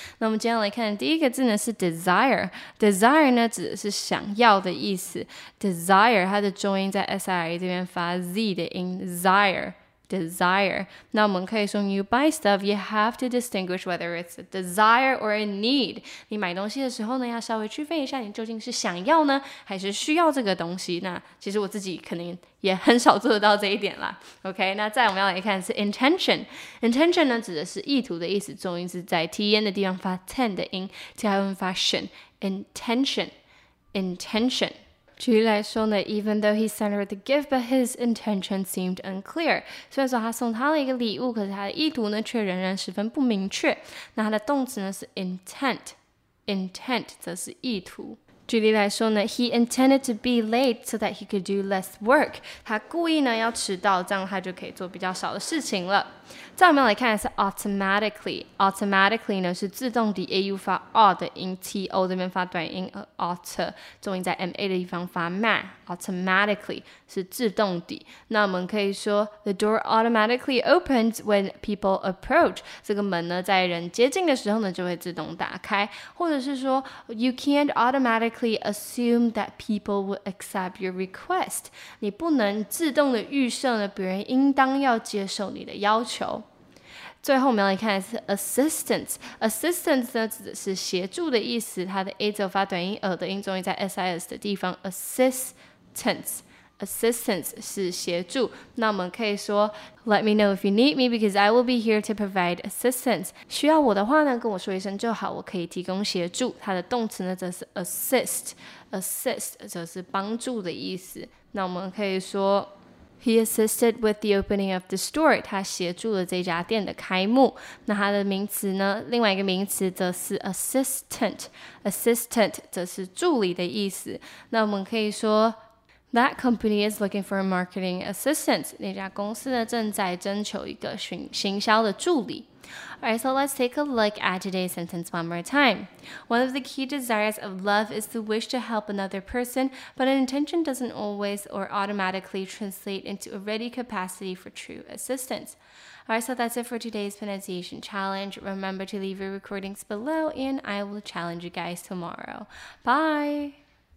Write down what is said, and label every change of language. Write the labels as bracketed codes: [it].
[zh] 那我们今天来看第一个字呢是 desire。desire 呢指的是想要的意思。 desire 它的重音在 SIRE 这边发 Z 的音 ,desire。desire. 那我们可以说 [en] you buy stuff, you have to distinguish whether it's a desire or a need. [zh] 你买东西的时候呢要稍微区分一下你究竟是想要呢还是需要这个东西。那其实我自己可能也很少做得到这一点啦。 OK, 那再我们要来看是 intention。intention 呢指的是意图的意思，重音是在 TEN 的地方发 TEN 的音 ,TEN 发 SHIN。intention。 intention。举例来说呢 [en] ,even though he sent her the gift, but his intention seemed unclear. [zh] 虽然说他送她了一个礼物可是他的意图呢却仍然十分不明确。那他的动词呢是 intent。intent 则是意图。举例来说呢 [en] ,he intended to be late so that he could do less work. [zh] 他故意呢要迟到这样他就可以做比较少的事情了。再我们来看的是 automatically。automatically 呢是自动的 AU 发 R 的音 ,TO 这边发短音 ,auto, 重音在 MA 的地方发 MA, automatically 是自动的。那我们可以说 [en] ,the door automatically opens when people approach. [zh] 这个门呢在人接近的时候呢就会自动打开。或者是说 [en] ,you can't automatically,assume that people would accept your request. [zh] 你不能自动的预设呢，别人应当要接受你的要求。最后我们要来看的是 assistance。assistance 呢指的是协助的意思，它的 A 字发短音 ，R 的音重音在 SIS 的地方。 assistance。 assistance 是协助。那我们可以说 [en] ,let me know if you need me because I will be here to provide assistance. [zh] 需要我的话呢跟我说一声就好我可以提供协助。它的动词呢则是 assist。assist 则是帮助的意思。那我们可以说 [en] ,he assisted with the opening of the store. [zh] 他协助了这家店的开幕。那它的名词呢另外一个名词则是 assistant。 assistant 则是助理的意思。那我们可以说 [en] That company is looking for a marketing assistant. [zh] 那家公司呢正在征求一个行销的助理。 [en] Alright, so let's take a look at today's sentence one more time. One of the key desires of love is the wish to help another person, but an intention doesn't always or automatically translate into a ready capacity for true assistance. Alright, so that's it for today's pronunciation challenge. Remember to leave your recordings below, and I will challenge you guys tomorrow. Bye!